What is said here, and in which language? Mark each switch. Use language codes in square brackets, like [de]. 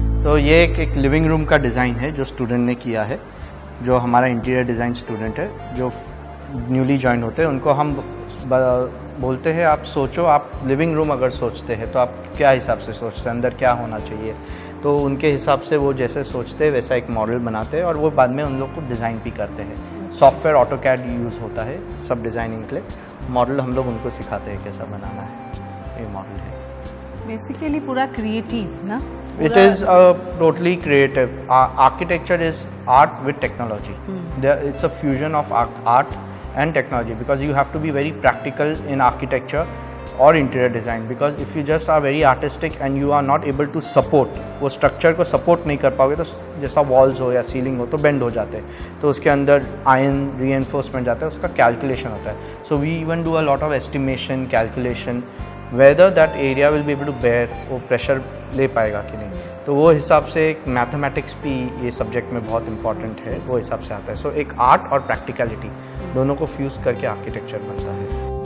[hi] तो ये एक लिविंग रूम का डिज़ाइन है जो स्टूडेंट ने किया है जो हमारा इंटीरियर डिज़ाइन स्टूडेंट है जो न्यूली ज्वाइन होते हैं उनको हम बोलते हैं आप सोचो आप लिविंग रूम अगर सोचते हैं तो आप क्या हिसाब से सोचते हैं अंदर क्या होना चाहिए तो उनके हिसाब से वो जैसे सोचते हैं वैसा एक मॉडल बनाते हैं और वो बाद में उन लोग को डिज़ाइन भी करते हैं सॉफ्टवेयर ऑटोकैड यूज़ होता है सब डिज़ाइनिंग के लिए मॉडल हम लोग उनको सिखाते हैं कैसा बनाना है ये मॉडल है बेसिकली पूरा क्रिएटिव ना [en] It is a totally creative. Architecture is art with technology. It's a fusion of art and technology because you have to be very practical in architecture or interior design. Because if you just are very artistic and you are not able to support, [hi] वो structure को support नहीं कर पाओगे तो जैसा walls हो या ceiling हो तो bend हो जाते हैं तो उसके अंदर iron reinforcement जाता है उसका calculation होता है [en] So we even do a lot of estimation, calculation. Whether that area will be able to bear [hi] वो pressure ले पाएगा कि नहीं तो वो हिसाब से एक मैथमेटिक्स भी ये सब्जेक्ट में बहुत इंपॉर्टेंट है वो हिसाब से आता है सो एक आर्ट और प्रैक्टिकलिटी दोनों को फ्यूज करके आर्किटेक्चर बनता है